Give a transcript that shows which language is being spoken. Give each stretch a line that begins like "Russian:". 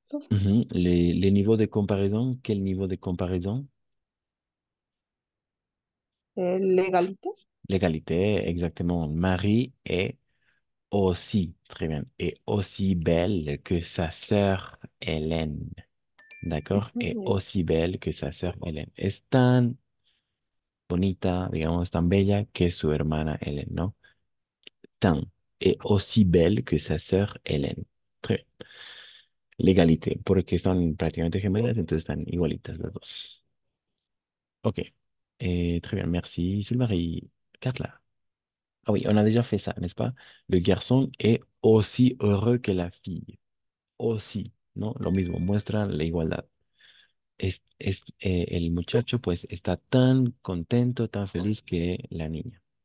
French: Les niveaux de comparaison, quel niveau de comparaison? L'égalité. L'égalité, exactement. Marie est aussi, très bien, et aussi belle que sa sœur Hélène. D'accord? Et aussi belle que sa sœur Hélène.
Spanish: Es tan bonita, digamos, tan bella que su hermana Hélène, ¿no?
French: Tan et aussi belle que sa sœur Hélène. Très bien.
Spanish: L'égalité, porque son prácticamente gemelas, entonces están igualitas las dos.
French: Ok. Et très bien, merci. C'est Marie Carla. Ah oui, on a déjà fait ça, n'est-ce pas? Le garçon est aussi heureux que la fille.
Spanish: Aussi, ¿no? Lo mismo, muestra la igualdad. El muchacho, pues, está tan contento, tan feliz que la niña.